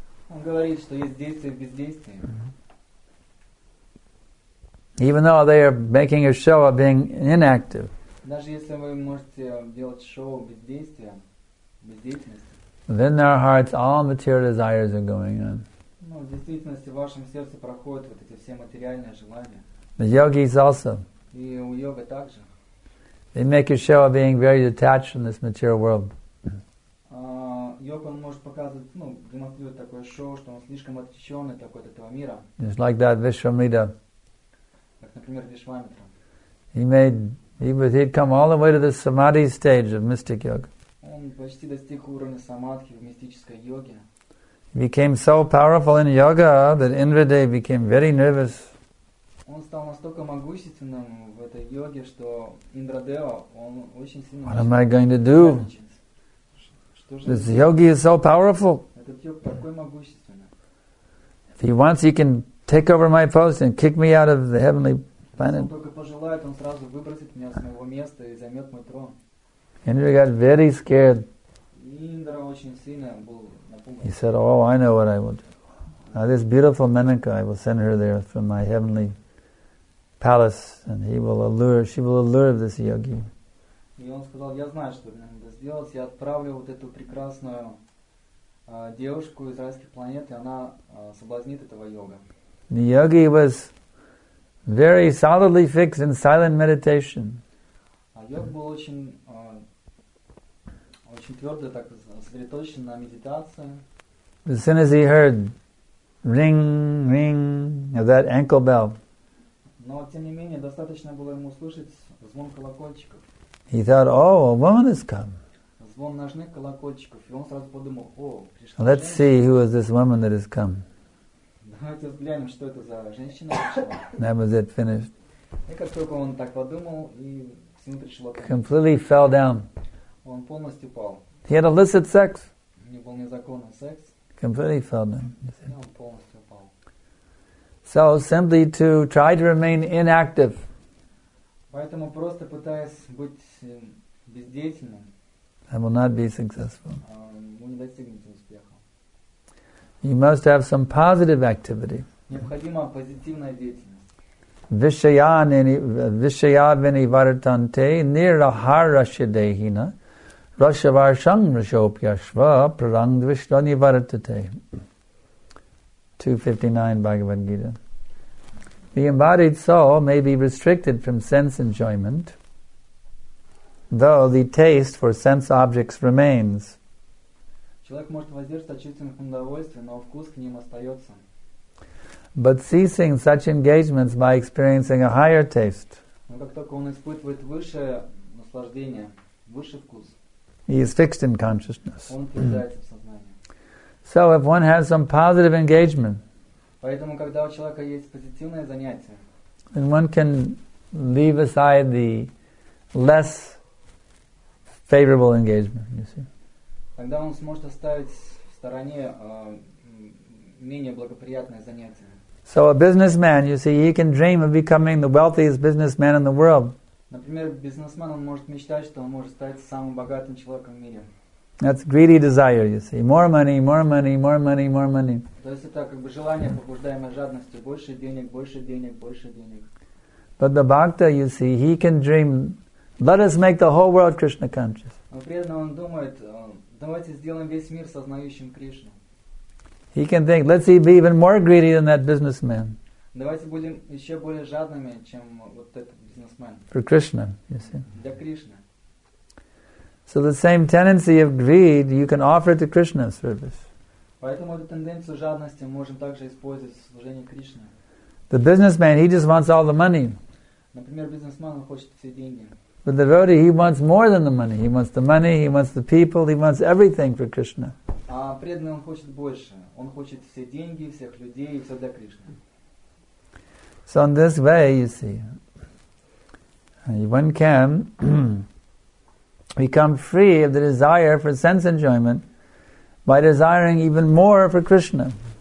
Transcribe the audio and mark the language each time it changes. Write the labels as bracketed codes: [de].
[ru] Он говорит, что есть действие в бездействии. [en] Even though they are making a show of being inactive. [ru] Даже если вы можете делать шоу бездействия. [en] Then our hearts, all material desires are going on. [ru] Ну, в действительности в вашем сердце проходят вот эти все материальные желания. [en] The yogis also. [ru] И у йоги также. [en] They make a show of being very detached from this material world. [ru] Йог, он может показывать, ну, демонстрирует такое шоу, что он слишком отвлеченный такой от этого мира. [en] Just like that Vishwamitra. [ru] Как, например, Вишвамитра. [en] He'd come all the way to the samadhi stage of mystic yoga. [ru] Он почти достиг уровня самадхи в мистической йоге. [en] He became so powerful in yoga that Indradev became very nervous. [ru] Он стал настолько могущественным в этой йоге, что Индрадева, он очень сильно. [en] What am I going to do? This yogi is so powerful. [ru] Этот йог такой могущественный. [en] If he wants, he can take over my post and kick me out of the heavenly planet. [ru] Если он только пожелает, он сразу выбросит меня с моего места и займет мой трон. [en] Indra got very scared. [ru] Indra очень сильно был напуган. [en] He said, "Oh, I know what I will do. Now this beautiful Menaka, I will send her there from my heavenly palace, and she will allure this yogi." [ru] И он сказал, я знаю, что мне надо сделать. Я отправлю вот эту прекрасную девушку из райских планет, и она соблазнит этого йога. [en] The yogi was very solidly fixed in silent meditation. [ru] Йог был очень твердо так сосредоточен на медитации. [en] As soon as he heard ring, ring of that ankle bell, [ru] но тем не менее достаточно было ему услышать звон колокольчиков. [en] He thought, "Oh, a woman has come." [ru] Звон ножных колокольчиков, и он сразу подумал, о, пришла. [en] Let's see who is this woman that has come. [ru] Да, Давайте взглянем, что это за женщина. [en] That was it, finished. [ru] И как только он так подумал, и к нему пришло. [en] Completely fell down. [ru] Он полностью упал. [en] He had illicit sex. [ru] У него был незаконный секс. [en] Completely fell down. [ru] И он полностью упал. [en] So simply to try to remain inactive. [ru] Поэтому просто пытаясь быть бездеятельным. [en] I will not be successful. [ru] Вы не достигнете успеха. [en] You must have some positive activity. [ru] Необходима позитивная деятельность. [sa] Vishayavinivartante nirahara-shidehina rashavarsham rashopyashva prarangdvishranivartate. [en] 259 Bhagavad Gita. The embodied soul may be restricted from sense enjoyment, though the taste for sense objects remains. [ru] Человек может воздерживаться от чувственных удовольствий, но вкус к ним остается. [en] But ceasing such engagements by experiencing a higher taste. [ru] Но как только он испытывает высшее наслаждение, высший вкус. [en] He is fixed in consciousness. [ru] Он впадает в сознание. [en] So if one has some positive engagement. [ru] Поэтому когда у человека есть позитивное занятие. [en] Then one can leave aside the less favorable engagement, you see. [ru] Тогда он сможет оставить в стороне менее благоприятное занятие. [en] So a businessman, you see, he can dream of becoming the wealthiest businessman in the world. [ru] Например, бизнесмен, он может мечтать, что он может стать самым богатым человеком в мире. [en] That's greedy desire, you see. More money, more money, more money, more money. [ru] То есть это как бы желание, побуждаемое жадностью. Больше денег, больше денег, больше денег. [en] But the bhakta, you see, he can dream, let us make the whole world Krishna conscious. [ru] Но при этом он думает, давайте сделаем весь мир сознающим Кришну. [en] He can think, let's be even more greedy than that businessman. [ru] Давайте будем еще более жадными, чем вот этот бизнесмен. [en] For Krishna, you see. [ru] Для Кришны. [en] So the same tendency of greed you can offer to Krishna service. [ru] Поэтому эту тенденцию жадности можем также использовать в служении Кришне. [en] The businessman, he just wants all the money. [ru] Например, бизнесмен хочет все деньги. [en] But the devotee, he wants more than the money. He wants the money, he wants the people, he wants everything for Krishna. [ru] А преданный, он хочет больше. Он хочет все деньги, всех людей, все для Кришны. [en] So in this way, you see, one can become free of the desire for sense enjoyment by desiring even more for Krishna.